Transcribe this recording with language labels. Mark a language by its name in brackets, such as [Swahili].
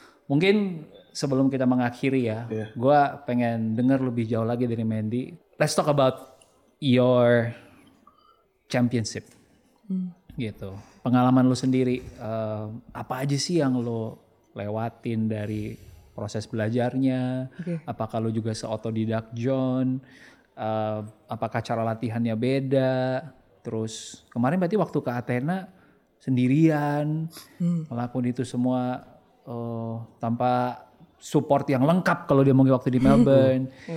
[Indonesian] Mungkin sebelum kita mengakhiri ya, gua pengen dengar lebih jauh lagi dari Mandy. [English] Let's talk about your championship. [Indonesian] Gitu. Pengalaman lu sendiri, apa aja sih yang lu lewatin dari proses belajarnya? Okay. Apakah lu juga se-autodidak John? Apakah cara latihannya beda? Terus kemarin berarti waktu ke Athena sendirian ngelakuin itu semua tanpa support yang lengkap kalau dia mau waktu di Melbourne.